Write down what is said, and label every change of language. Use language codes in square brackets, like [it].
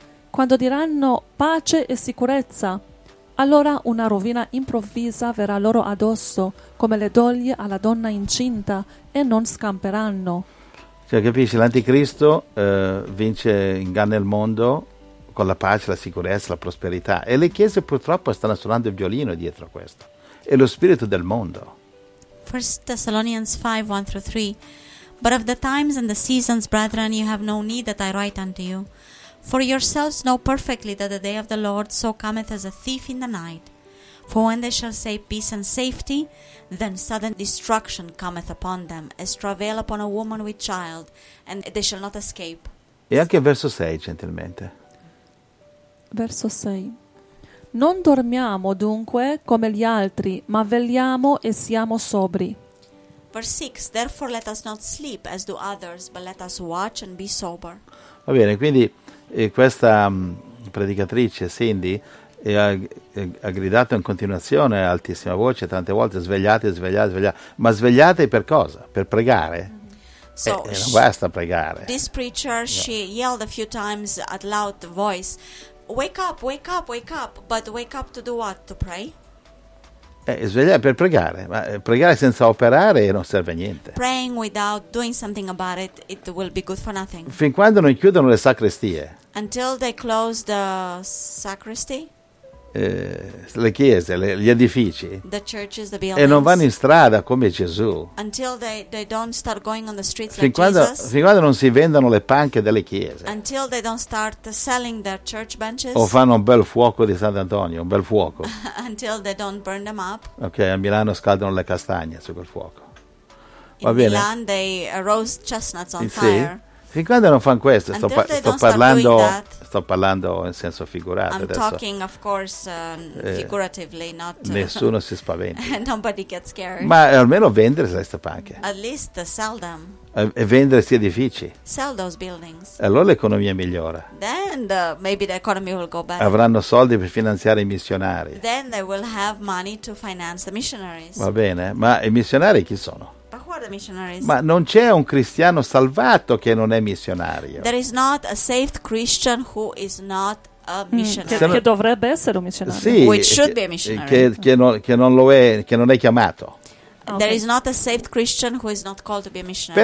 [it] Quando diranno pace e sicurezza, allora una rovina improvvisa verrà loro addosso, come le doglie alla donna incinta, e non scamperanno. Cioè, capisci, l'anticristo vince, inganna il mondo con la pace, la sicurezza, la prosperità. E le chiese purtroppo stanno suonando il violino dietro a questo. È lo spirito del mondo. [en] 1 Thessalonians 5:1-3. But of the times and the seasons, brethren, you have no need that I write unto you. For yourselves know perfectly that the day of the Lord so cometh as a thief in the night. For when they shall say peace and safety, then sudden destruction cometh upon them, as travail upon a woman with child, and they shall not escape. [it] E anche verso 6, gentilmente. Verso 6. Non dormiamo dunque come gli altri, ma vegliamo e siamo sobri. [en] Verse 6, therefore let us not sleep as do others, but let us watch and be sober. [it] Va bene, quindi questa predicatrice Cindy ha gridato in continuazione a altissima voce tante volte, svegliate, svegliate, svegliate. Ma svegliate per cosa? Per pregare? Non basta pregare. [en] This preacher, no. She yelled a few times at loud voice, wake up, wake up, wake up, but wake up to do what? To pray? [it] Svegliare per pregare, ma pregare senza operare non serve a niente. [en] Praying without doing something about it, it will be good for nothing. [it] Fin quando non chiudono le sacrestie. [en] Until they close the sacristy? [it] Le chiese, gli edifici. [en] The churches, the buildings. [it] E non vanno in strada come Gesù. [en] Until they don't start going on the streets [it] fin [en] like [it] quando, [en] Jesus. [it] Fin quando non si vendono le panche delle chiese. [en] Until they don't start selling their church benches. [it] O fanno un bel fuoco di Sant'Antonio, un bel fuoco. [en] Until they don't burn them up. [it] Ok, a Milano scaldano le castagne su quel fuoco. Va in bene. [en] Milan they roast chestnuts on Fire. [it] Fin quando non fanno questo, sto parlando in senso figurato. [en] I'm Talking, of course, figuratively, not. [it] Nessuno si spaventa. [en] Nobody gets scared. [it] Ma almeno vendere queste panche. [en] At least sell them. [it] E vendere questi edifici. [en] Sell those buildings. [it] E allora l'economia migliora. [en] Then the, maybe the economy will go better. [it] Avranno soldi per finanziare i missionari. [en] Then they will have money to finance the missionaries. [it] Va bene, ma i missionari chi sono? Ma non c'è un cristiano salvato che non è missionario. [en] There is not a saved Christian who is not a missionary. [it] Che dovrebbe essere un missionario. Sì, [en] which should be a missionary. [it] Che non lo è, che non è chiamato. [en] Okay. There is not a saved Christian who is not called to be a missionary.